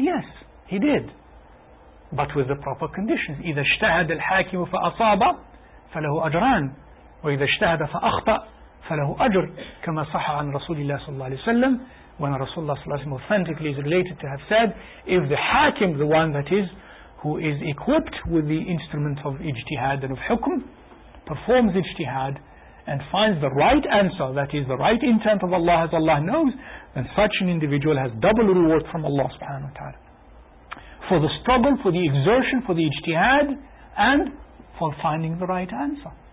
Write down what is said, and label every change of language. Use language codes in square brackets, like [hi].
[en] Yes, he did. But with the proper conditions. [ar] إذا اجتهد الحاكم فأصاب فله أجران وإذا اجتهد فأخطأ فله أجر كما صح عن رسول الله صلى الله عليه وسلم. [en] When Rasulullah [ar] صلى الله عليه وسلم [en] authentically is related to have said, if the hakim, the one that is who is equipped with the instrument of ijtihad and of hukm, performs ijtihad and finds the right answer, that is the right intent of Allah as Allah knows, then such an individual has double reward from Allah subhanahu wa ta'ala, for the struggle, for the exertion, for the ijtihad, and for finding the right answer.